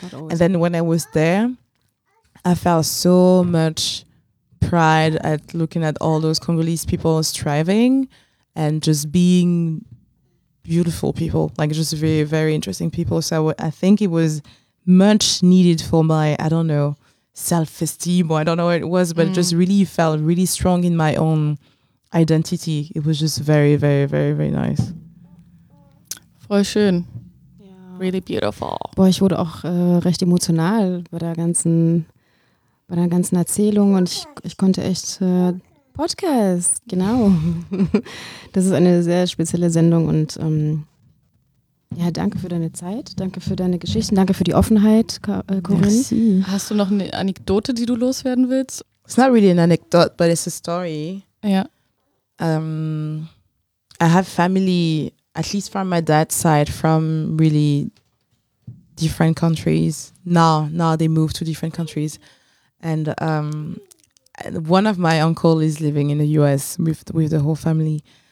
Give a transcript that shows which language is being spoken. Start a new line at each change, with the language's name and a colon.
English: And then when I was there, I felt so much pride at looking at all those Congolese people striving and just being beautiful people, like just very, very interesting people. So I think it was much needed for my, I don't know, self-esteem, or I don't know what it was, but it just really felt really strong in my own identity. It was just very, very, very, very nice.
German: Voll schön.
English: Really beautiful.
German: Boah, ich wurde auch recht emotional bei der ganzen Erzählung, und ich konnte echt Podcast, genau. Das ist eine sehr spezielle Sendung, und ja, danke für deine Zeit, danke für deine Geschichten, danke für die Offenheit, Corinne.
French: Merci.
German: Hast du noch eine Anekdote, die du loswerden willst?
English: It's not really an anecdote, but it's a story. Yeah. I have family, at least from my dad's side, from really different countries. Now they move to different countries. And one of my uncle is living in the US with the whole family.